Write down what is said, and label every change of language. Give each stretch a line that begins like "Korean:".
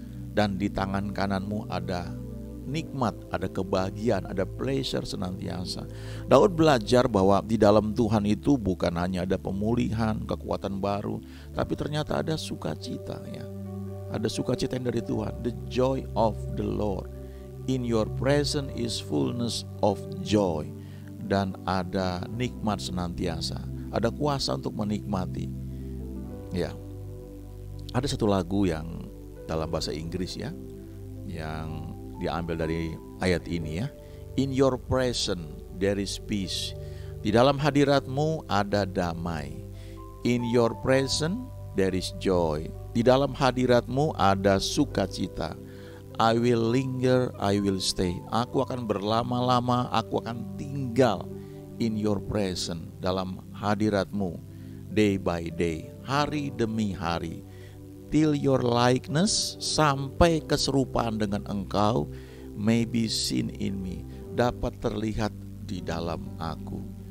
Indonesian: Dan di tangan kananmu ada nikmat, ada kebahagiaan, ada pleasure senantiasa. Daud belajar bahwa di dalam Tuhan itu bukan hanya ada pemulihan, kekuatan baru, tapi ternyata ada sukacita ya. Ada sukacita yang dari Tuhan.
English: The joy of the Lord, in your presence is fullness of joy.
Indonesian: Dan ada nikmat senantiasa, ada kuasa untuk menikmati ya. Ada satu lagu yang dalam bahasa Inggris ya, yang diambil dari ayat ini ya.
English: In your presence there is peace.
Indonesian: Di dalam hadiratmu ada damai.
English: In your presence there is joy.
Indonesian: Di dalam hadiratmu ada sukacita.
English: I will linger, I will stay.
Indonesian: Aku akan berlama-lama, aku akan tinggal.
English: In your presence,
Indonesian: dalam hadiratmu,
English: day by day,
Indonesian: hari demi hari,
English: till your likeness,
Indonesian: sampai keserupaan dengan engkau,
English: may be seen in me,
Indonesian: dapat terlihat di dalam aku.